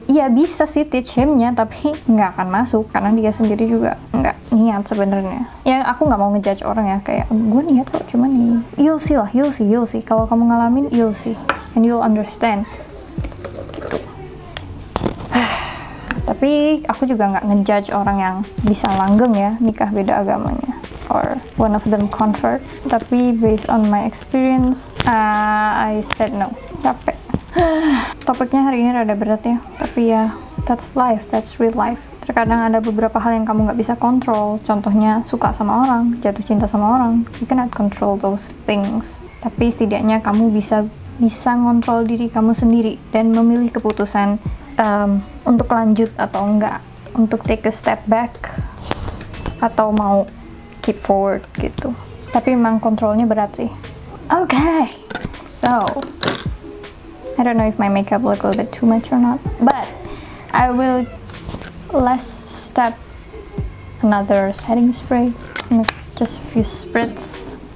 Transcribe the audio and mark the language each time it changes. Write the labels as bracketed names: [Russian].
[Indonesian] Ya bisa sih teach himnya, tapi nggak akan masuk, karena dia sendiri juga nggak niat sebenarnya. Ya aku nggak mau ngejudge orang ya, kayak gue niat kok, cuman nih. [English] You'll see, [Indonesian] kalau kamu ngalamin, [English] you'll see, and you'll understand. [Indonesian] Gitu. Tapi aku juga nggak ngejudge orang yang bisa langgeng ya, nikah beda agamanya. [English] Or one of them convert, tapi based on my experience, I said no. [Indonesian] Capek. Topiknya hari ini rada berat ya, tapi ya, [English] that's life, that's real life. [Indonesian] terkadang ada beberapa hal yang kamu nggak bisa kontrol. Contohnya, suka sama orang, jatuh cinta sama orang. [English] You cannot control those things. [Indonesian] Tapi setidaknya kamu bisa ngontrol diri kamu sendiri dan memilih keputusan untuk lanjut atau enggak, untuk [English] take a step back [Indonesian] atau mau [English] keep forward [Indonesian] gitu. Tapi memang kontrolnya berat sih. [English] Okay, so I don't know if my makeup look a little bit too much or not, but I will last step another setting spray, just a few spritz.